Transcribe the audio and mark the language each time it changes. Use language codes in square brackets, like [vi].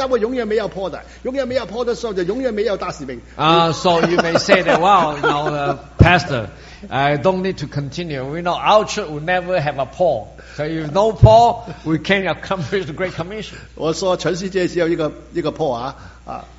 [zh] 所以同一个道理啊，同一个道理。有些我讲到这个道的时候，有些兄弟姐妹问：“哎呀，牧师不要说了，我们教会永远没有破的，永远没有破的时候就永远没有大使命。” [en] So you may say that, "Wow, now, Pastor, I don't need to continue. We know our church will never have a Paul. So if no Paul, we can't accomplish the Great Commission." [zh] 我说全世界只有一个破啊。